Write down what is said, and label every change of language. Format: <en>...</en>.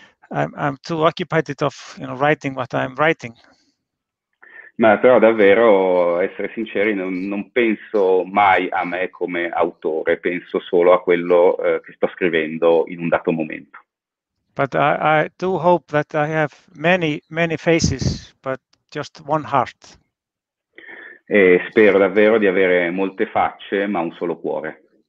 <en>I'm too occupied of, you know, writing what I'm writing.</en> <it>Ma però davvero, essere sinceri, non penso mai a me come autore, penso solo a quello che sto scrivendo in un dato momento.</it> <en>But I do hope that I have many, many faces, but just one heart.</en> <it>E spero davvero di avere molte facce, ma un solo cuore.</it>